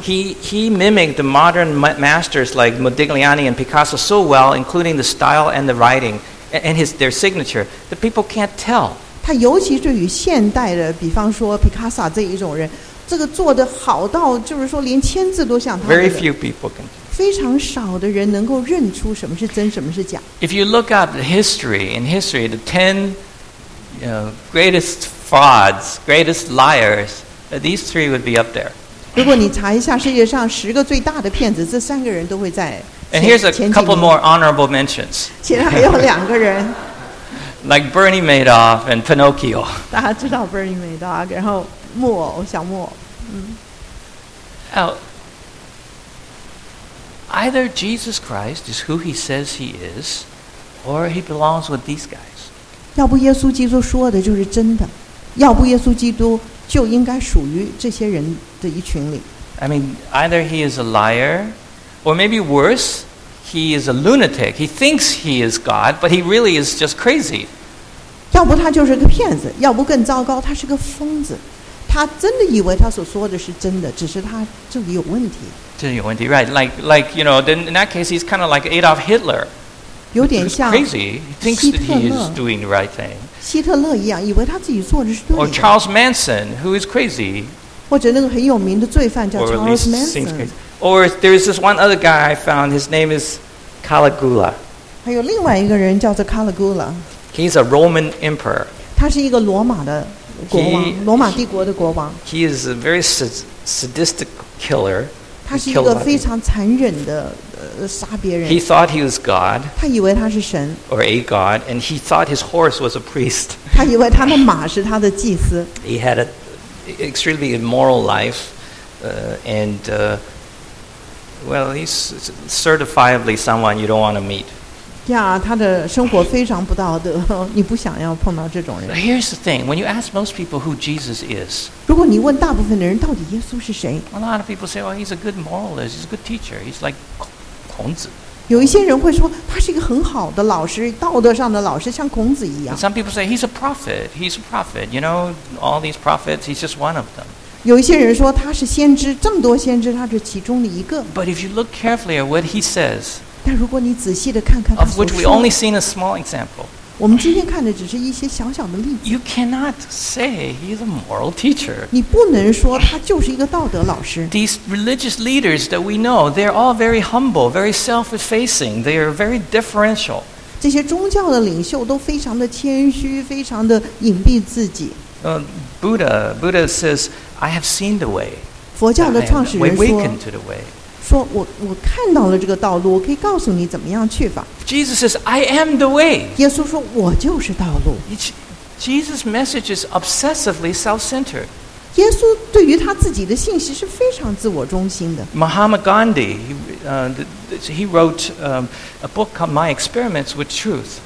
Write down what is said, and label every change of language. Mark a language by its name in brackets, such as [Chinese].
[English] He mimicked the modern masters like Modigliani and Picasso so well, including the style and the writing and their signature, that people can't tell. [Chinese] 他尤其是与现代的，比方说 Picasso 这一种人，这个做得好到就是说连签字都像他。 [English] Very few people can. [Chinese] 非常少的人能够认出什么是真，什么是假。 [English] If you look up history, the 10 greatest frauds, greatest liars, these three would be up there. [Chinese] 如果你查一下世界上十个最大的骗子，这三个人都会在前几名。 [English] And here's a couple more honorable mentions. [Chinese] 其实还有两个人。 [English] Like Bernie Madoff and Pinocchio. [Chinese] 大家知道 Bernie Madoff, 然后木偶，小木偶。 [English] Either Jesus Christ is who he says he is, or he belongs with these guys. [Chinese] 要不耶稣基督说的就是真的，要不耶稣基督就应该属于这些人的一群里。 [English] I mean, either he is a liar, or maybe worse, he is a lunatic. He thinks he is God, but he really is just crazy. [Chinese] 要不他就是个骗子，要不更糟糕，他是个疯子。他真的以为他所说的是真的，只是他这里有问题。这有问题 ，right? [English] Like you know, then in that case, he's kind of like Adolf Hitler. [Chinese] 有点像 [English] crazy. He thinks that he is doing the right thing. [Chinese] 希特勒一样，以为他自己做的是对的。 [English] Or Charles Manson, who is crazy. [Chinese] 或者那个很有名的罪犯叫 Charles Manson. [English] Or there is this one other guy I found. His name is Caligula. [Chinese] 还有另外一个人叫做 Caligula. [English] He's a Roman emperor. [Chinese] 他是一个罗马的国王，罗马帝国的国王。 [English] He is a very sadistic killer. [Chinese] 他是一个非常残忍的杀别人。 [English] He thought he was God. [Chinese] 他以为他是神。 [English] Or a god, and he thought his horse was a priest. [Chinese] 他以为他的马是他的祭司。 [English] He had an extremely immoral life, and well, he's certifiably someone you don't want to meet. [Chinese] 呀，他的生活非常不道德，你不想要碰到这种人。 [English] Here's the thing: when you ask most people who Jesus is, [Chinese] 如果你问大部分的人到底耶稣是谁 [English] ，a lot of people say, "Oh, he's a good moralist. He's a good teacher. He's like 孔子." [Chinese] 有一些人会说他是一个很好的老师，道德上的老师，像孔子一样。 [English] Some people say he's a prophet. He's a prophet. You know, all these prophets. He's just one of them. [Chinese] 有一些人说他是先知，这么多先知，他是其中的一个。 [English] But if you look carefully at what he says. [Chinese] 但如果你仔细地看看他所说的 [English] Of which we only seen a small example. [Chinese] 我们今天看的只是一些小小的例子。 [English] You cannot say he's a moral teacher. [Chinese] 你不能说他就是一个道德老师。 [English] These religious leaders that we know, they're all very humble, very self-effacing. They are very deferential. [Chinese] 这些宗教的领袖都非常的谦虚，非常的隐蔽自己。 [English] Buddha says, "I have seen the way." [Chinese] 佛教的创始人说 [English] "We awakened to the way." [Chinese] 说我看到了这个道路，我可以告诉你怎么样去法。 [English] Jesus says, "I am the way." [Chinese] 耶稣说，我就是道路。 [English] Jesus' message is obsessively self-centered. [Chinese] 耶稣对于他自己的信息是非常自我中心的。 [English] Mahatma Gandhi, he wrote a book called "My Experiments with Truth."